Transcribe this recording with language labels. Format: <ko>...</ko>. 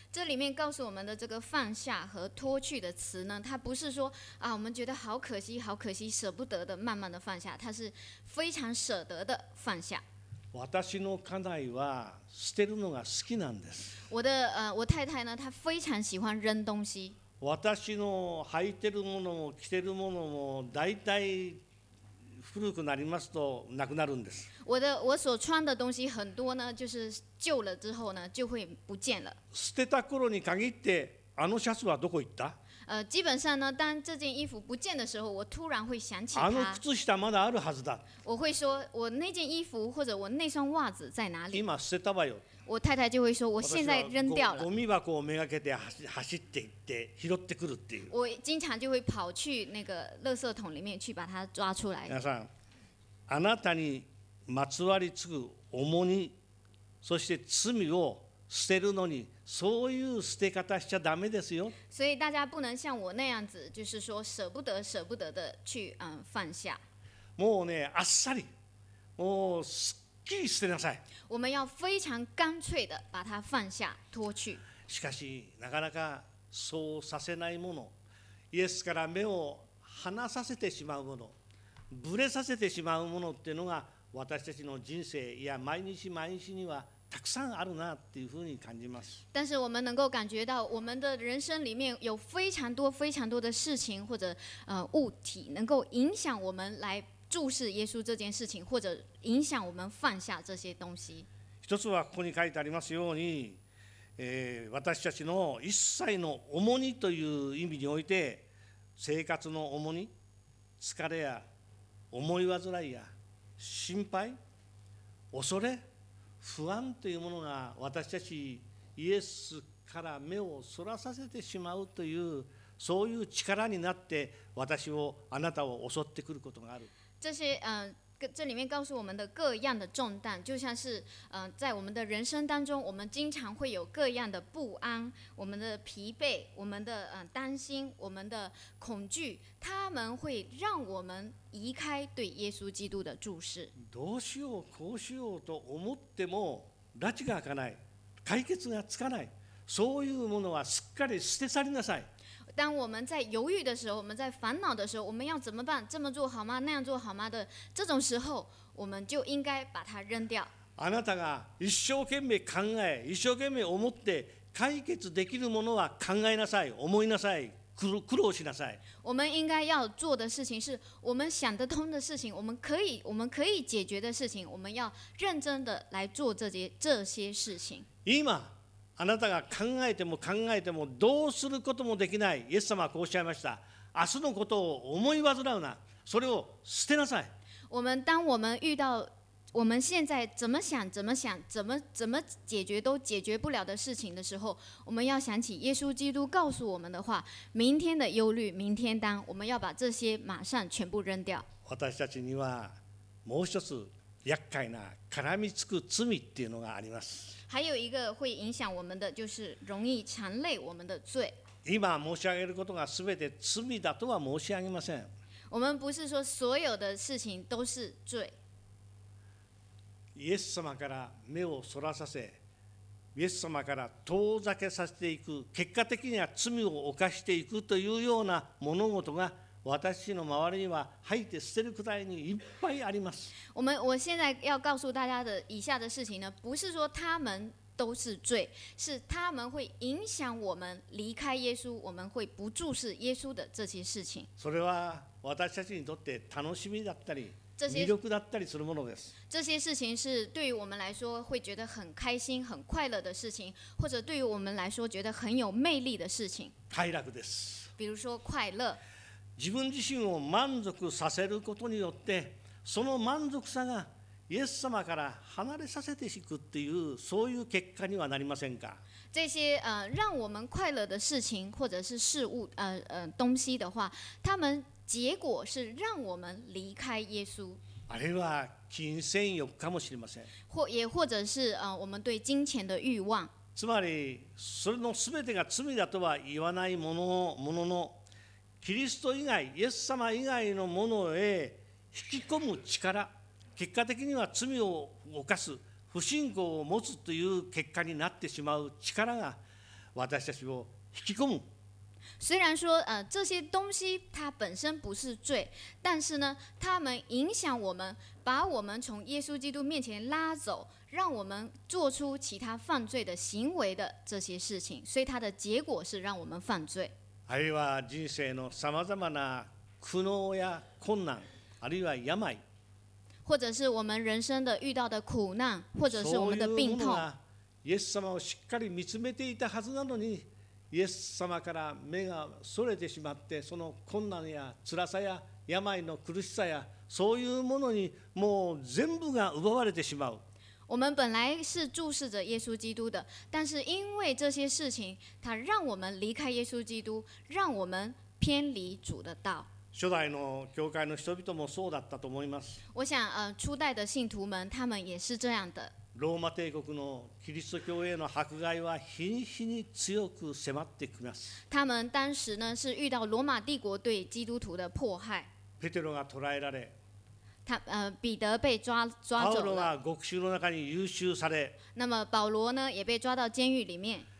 <zh>这里面告诉我们的这个放下和脱去的词呢，它不是说啊，我们觉得好可惜、好可惜、舍不得的慢慢的放下，它是非常舍得的放下。</zh> <ja>私の家内は捨てるのが好きなんです。</ja> <zh>我太太呢，她非常喜欢扔东西。</zh> <ja>私の履いてるものも着てるものも大体古くなりますとなくなるんです。</ja> <zh>我所穿的东西很多呢，就是旧了之后呢，就会不见了。</zh> <ja>捨てた頃に限ってあのシャツはどこ行った？</ja> <zh>基本上呢，当这件衣服不见的时候，我突然会想起它。</zh> <ja>あの靴下まだあるはずだ。</ja> <zh>我会说，我那件衣服或者我那双袜子在哪里？</zh> <ja>今捨てたわよ。</ja> <zh>我太太就会说，我现在扔掉了。</zh> <ja>ゴミ箱をめがけて走って行って拾ってくるっていう。</ja> <zh>我经常就会跑去那个垃圾桶里面去把它抓出来。</zh> <ja>皆さん、あなたにまつわりつく重荷、そして罪を捨てるのに。そういう捨て方しちゃダメですよ。</ja> <zh>所以大家不能像我那样子，就是说舍不得、舍不得的去放下。</zh> <ja>もうね、あっさり、もうすっきり捨てなさい。</ja> <zh>我们要非常干脆的把它放下、脱去。</zh> <ja>しかしなかなかそうさせないもの、イエスから目を離させてしまうもの、ぶれさせてしまうものっていうのが私たちの人生、いや毎日毎日にはたくさんあるなっていうふうに感じます。</ja> <zh>但是我们能够感觉到，我们的人生里面有非常多非常多的事情或者物体能够影响我们来注视耶稣这件事情，或者影响我们放下这些东西。</zh> <ja>一つはここに書いてありますように、私たちの一切の重荷という意味において、生活の重荷、疲れや思い煩いや心配、恐れ、不安というものが私たちイエスから目をそらさせてしまうという、そういう力になって私を、あなたを襲ってくることがある。</ja> <zh>这些这里面告诉我们的各样的重担，就像是在我们的人生当中，我们经常会有各样的不安，我们的疲惫，我们的担心，我们的恐惧，他们会让我们移开对耶稣基督的注视。</zh> <ja>どうしようこうしようと思っても、拉致が開かない、解決がつかない、そういうものはすっかり捨て去りなさい。</ja> <zh>当我们在犹豫的时候，我们在烦恼的时候，我们要怎么办？这么做好吗？那样做好吗的这种时候，我们就应该把它扔掉。</zh> <ja>あなたが一生懸命考え、一生懸命思って解決できるものは考えなさい、思いなさい、苦労しなさい。</ja> <zh>我们应该要做的事情是我们想得通的事情，我们可以解决的事情，我们要认真的来做这些事情。</zh> <ja>今。あなたが考えても考えてもどうすることもできない。イエス様はこうおっしゃいました。明日のことを思い煩うな。それを捨てなさい。</ja> <zh>当我们现在怎么想怎么想怎么解决都解决不了的事情的时候，我们要想起耶稣基督告诉我们的话：明天的忧虑明天担。我们要把这些马上全部扔掉。</zh> <ja>私たちにはもう一つ厄介な絡みつく罪っていうのがあります。</ja> <zh>还有一个会影响我们的，就是容易缠累我们的罪。</zh> <ja>今申し上げることがすべて罪だとは申し上げません。</ja> <zh>我们不是说所有的事情都是罪。</zh> <ja>イエス様から目をそらさせ、イエス様から遠ざけさせていく、結果的には罪を犯していくというような物事が私の周りには吐いて捨てるくらいにいっぱいあります。</ja> <zh>我现在要告诉大家的以下的事情呢，不是说他们都是罪，是他们会影响我们离开耶稣，我们会不注视耶稣的这些事情。</zh> <ja>それは私たちにとって楽しみだったり、魅力だったりするものです。</ja> <zh>这些事情是对于我们来说会觉得很开心、很快乐的事情，或者对于我们来说觉得很有魅力的事情。</zh> <ja>快楽です。</ja> <zh>比如说快乐。</zh> <ja>自分自身を満足させることによって、その満足さがイエス様から離れさせていくっていうそういう結果にはなりませんか。</ja> <zh>这些让我们快乐的事情或者是事物东西的话，他们结果是让我们离开耶稣。</zh> <ja>あれは金銭欲かもしれません。</ja> <zh>或者是我们对金钱的欲望。</zh> <ja>つまりそれのすべてが罪だとは言わないものの。キリスト以外、イエス様以外のものへ引き込む力、結果的には罪を犯す、不信仰を持つという結果になってしまう力が私たちを引き込む。</ja> <zh>虽然说这些东西它本身不是罪，但是呢，它们影响我们，把我们从耶稣基督面前拉走，让我们做出其他犯罪的行为的这些事情，所以它的结果是让我们犯罪。</zh> <ja>あるいは人生のさまざまな苦悩や困難、あるいは病、</ja> <zh>或者是我们人生的遇到的苦难，或者是我们的病痛。</zh> <ja>そういうものがイエス様をしっかり見つめていたはずなのに、イエス様から目がそれてしまって、その困難や辛さや病の苦しさや、そういうものにもう全部が奪われてしまう。</ja> <zh>我们本来是注视着耶稣基督的，但是因为这些事情，它让我们离开耶稣基督，让我们偏离主的道。</zh> <ja>初代の教会の人々もそうだったと思います。</ja> <zh>我想，初代的信徒们，他们也是这样的。</zh> <ja>ローマ帝国のキリスト教への迫害は日に日に強く迫ってきます。</ja> <zh>他们当时呢是遇到罗马帝国对基督徒的迫害。</zh> <ja>ペテロが捕らえられ。</ja> <zh>彼得被抓走了。</zh> <ja>パウロが獄囚の中に遊囚され。</ja> <zh>那么保罗呢也被抓到监狱里面。</zh>